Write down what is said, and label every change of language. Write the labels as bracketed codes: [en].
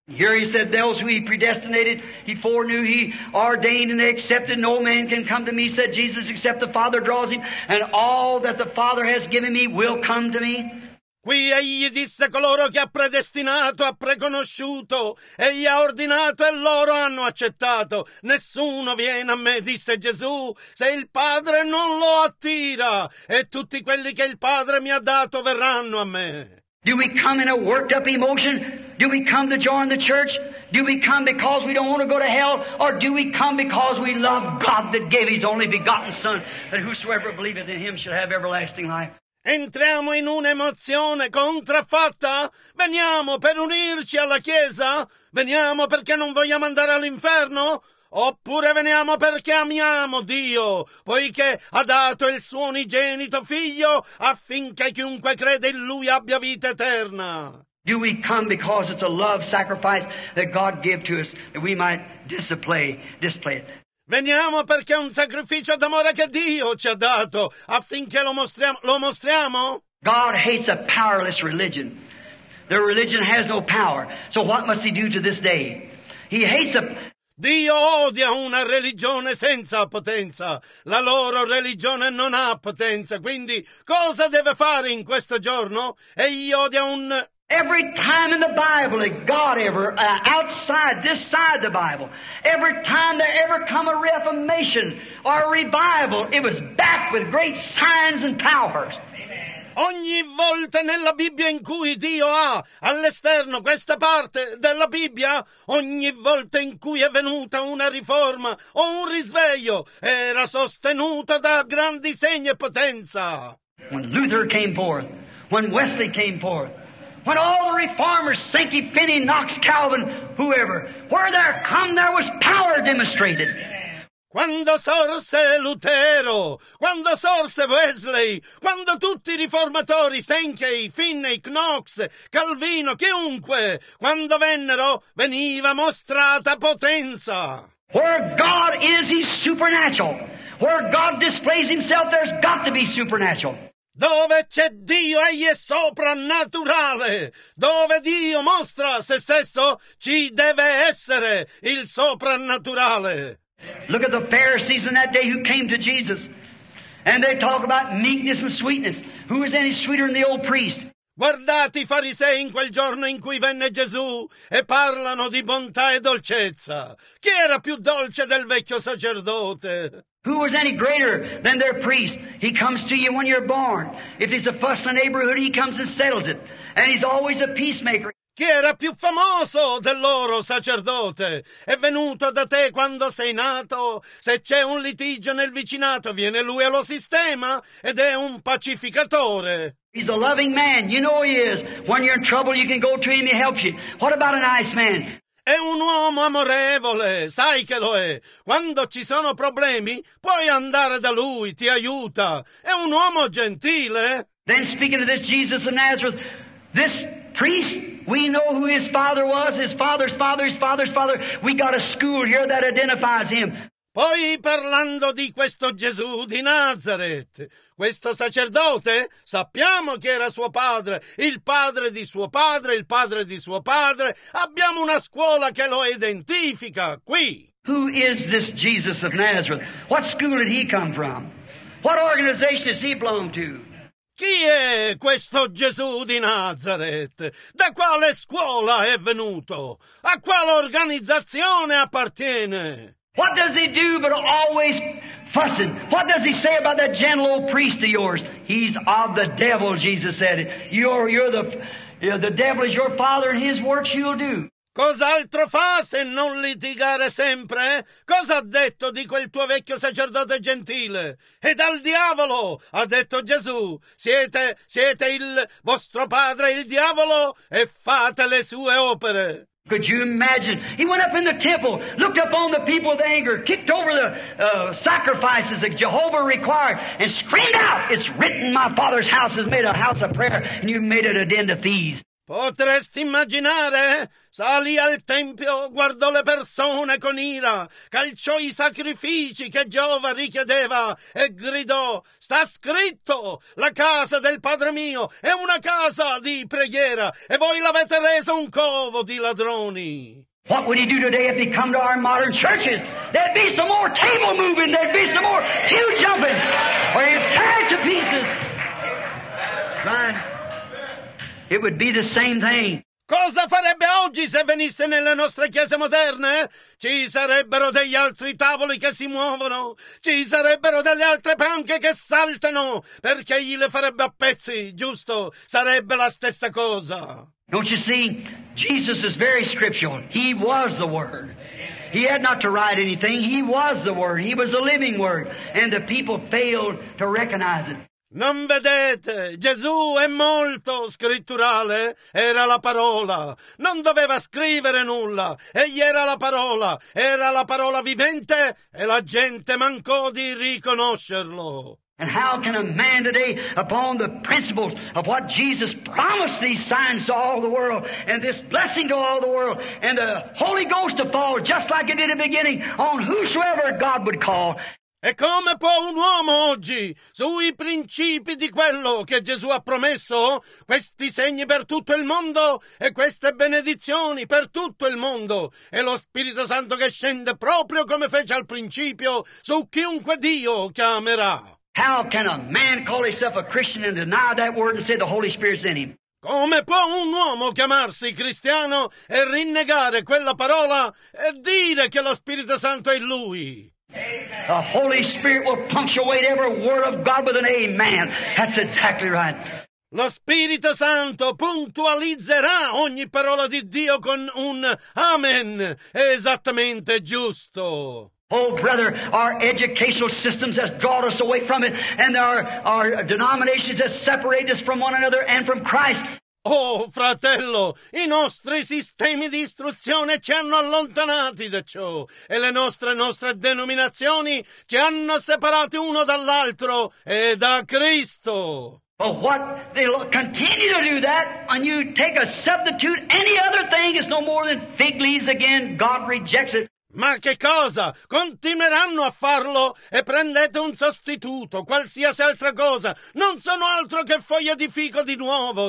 [en] Here he said, those who he predestinated, he foreknew, he ordained, and they accepted. No man can come to me, said Jesus, except the Father draws him, and all that the Father has given me will come to me. [it] Qui egli disse, coloro che ha predestinato, ha preconosciuto, e gli ha ordinato, e loro hanno accettato. Nessuno viene a me, disse Gesù, se il Padre non lo attira, e tutti quelli che il Padre mi ha dato verranno a me. [en] Do we come in a worked up emotion? Do we come to join the church? Do we come because we don't want to go to hell? Or do we come because we love God that gave his only begotten Son, that whosoever believeth in him should have everlasting life? [it] Entriamo in un'emozione contraffatta? Veniamo per unirci alla Chiesa? Veniamo perché non vogliamo andare all'inferno? oppure veniamo perché amiamo Dio, poiché ha dato il suo unigenito figlio affinché chiunque crede in lui abbia vita eterna. [en] Do we come because it's a love sacrifice that God gave to us that we might display it? [it] Veniamo perché è un sacrificio d'amore che Dio ci ha dato affinché lo mostriamo? [en] God hates a powerless religion. The religion has no power. So what must he do to this day? He hates a... [it] Dio odia una religione senza potenza. La loro religione non ha potenza. Quindi cosa deve fare in questo giorno? Egli odia un... [en] Every time in the Bible that God ever, outside, this side the Bible, every time there ever come a reformation or a revival, it was backed with great signs and powers. [it] Ogni volta nella Bibbia in cui Dio ha all'esterno questa parte della Bibbia, ogni volta in cui è venuta una riforma o un risveglio, era sostenuta da grandi segni e potenza. [en] When Luther came forth, when Wesley came forth, when all the reformers, Sankey, Finney, Knox, Calvin, whoever, where there come, there was power demonstrated. [it] Quando sorse Lutero, quando sorse Wesley, quando tutti i riformatori, Sankey, Finney, Knox, Calvino, chiunque, quando vennero, veniva mostrata potenza. [en] Where God is, he's supernatural. Where God displays himself, there's got to be supernatural. [it] Dove c'è Dio, egli è soprannaturale. Dove Dio mostra se stesso, ci deve essere il soprannaturale. [en] Look at the Pharisees in that day who came to Jesus. And they talk about meekness and sweetness. Who is any sweeter than the old priest? [it] Guardate i farisei in quel giorno in cui venne Gesù e parlano di bontà e dolcezza. Chi era più dolce del vecchio sacerdote? [en] Who was any greater than their priest? He comes to you when you're born. If he's a fuss in the neighborhood, he comes and settles it. And he's always a peacemaker. [it] Chi era più famoso del loro sacerdote? È venuto da te quando sei nato? Se c'è un litigio nel vicinato, viene lui e lo sistema ed è un pacificatore. [en] He's a loving man, you know he is. When you're in trouble, you can go to him, he helps you. What about an ice man? [it] È un uomo amorevole, sai che lo è. Quando ci sono problemi, puoi andare da lui, ti aiuta. È un uomo gentile. [en] Then speaking of this Jesus of Nazareth, this priest, we know who his father was, his father's father, his father's father. We got a school here that identifies him. [it] Poi parlando di questo Gesù di Nazareth, questo sacerdote, sappiamo chi era suo padre, il padre di suo padre, il padre di suo padre. Abbiamo una scuola che lo identifica qui. [en] Who is this Jesus of Nazareth? What school did he come from? What organization does he belong to? [it] Chi è questo Gesù di Nazareth? Da quale scuola è venuto? A quale organizzazione appartiene? [en] What does he do but always fussing? What does he say about that gentle old priest of yours? He's of the devil, Jesus said. You're the devil is your father and his works you'll do. [it] Cos'altro fa se non litigare sempre? Cosa ha detto di quel tuo vecchio sacerdote gentile? È dal diavolo, ha detto Gesù. Siete il vostro padre, il diavolo, e fate le sue opere. [en] Could you imagine? He went up in the temple, looked up on the people with anger, kicked over the sacrifices that Jehovah required, and screamed out, it's written, my father's house is made a house of prayer, and you made it a den of thieves. [it] Potresti immaginare? Salì al tempio, guardò le persone con ira, calciò i sacrifici che Giova richiedeva e gridò, sta scritto, la casa del padre mio è una casa di preghiera e voi l'avete resa un covo di ladroni. [en] What would he do today if he come to our modern churches? There'd be some more table moving, there'd be some more pew jumping, or he'd tear it to pieces. Right. It would be the same thing. [it] Cosa farebbe oggi se venisse nelle nostre chiese moderne? Ci sarebbero degli altri tavoli che si muovono. Ci sarebbero delle altre panche che saltano. Perché gli le farebbe a pezzi, giusto? Sarebbe la stessa cosa. [en] Don't you see? Jesus is very scriptural. He was the Word. He had not to write anything. He was the Word. He was the living Word. And the people failed to recognize it. [it] Non vedete? Gesù è molto scritturale, era la parola. Non doveva scrivere nulla, egli era la parola vivente e la gente mancò di riconoscerlo. [en] And how can a man today, upon the principles of what Jesus promised these signs to all the world, and this blessing to all the world, and the Holy Ghost to fall, just like it did in the beginning, on whosoever God would call? [it] E come può un uomo oggi, sui principi di quello che Gesù ha promesso, questi segni per tutto il mondo e queste benedizioni per tutto il mondo, e lo Spirito Santo che scende proprio come fece al principio, su chiunque Dio chiamerà? [en] How can a man call himself a Christian and deny that word and say the Holy Spirit's in him? [it] Come può un uomo chiamarsi cristiano e rinnegare quella parola e dire che lo Spirito Santo è in lui? [en] The Holy Spirit will punctuate every word of God with an amen. That's exactly right. [it] Lo Spirito Santo puntualizzerà ogni parola di Dio con un amen. È esattamente giusto. [en] Oh, brother, our educational systems have drawn us away from it, and our denominations have separated us from one another and from Christ. [it] Oh, fratello, i nostri sistemi di istruzione ci hanno allontanati da ciò, e le nostre denominazioni ci hanno separati uno dall'altro e da Cristo. [en] But what they'll continue to do that, and you take a substitute, any other thing is no more than fig leaves again, God rejects it. [it] Ma che cosa? Continueranno a farlo e prendete un sostituto, qualsiasi altra cosa. Non sono altro che foglie di fico di nuovo.